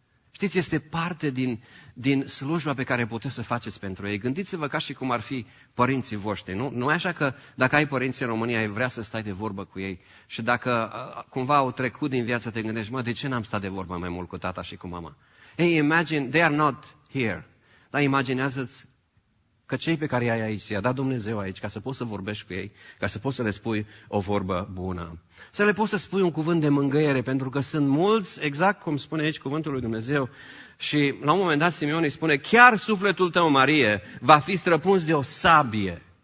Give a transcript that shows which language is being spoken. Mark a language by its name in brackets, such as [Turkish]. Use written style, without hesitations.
[Romanian] Știți, este parte din slujba pe care puteți să faceți pentru ei. Gândiți-vă ca și cum ar fi părinții voștri, nu? Nu e așa că dacă ai părinți în România, ai vrea să stai de vorbă cu ei. Și dacă cumva au trecut din viață, te gândești, mă, de ce n-am stat de vorbă mai mult cu tata și cu mama? [English] Hey, imagine, they are not here. [Romanian] Dar imaginează-ți că cei pe care i-ai aici, i-a dat Dumnezeu aici, ca să poți să vorbești cu ei, ca să poți să le spui o vorbă bună. Să le poți să spui un cuvânt de mângâiere, pentru că sunt mulți, exact cum spune aici cuvântul lui Dumnezeu, și la un moment dat Simeon îi spune, chiar sufletul tău, Marie, va fi străpuns de o sabie.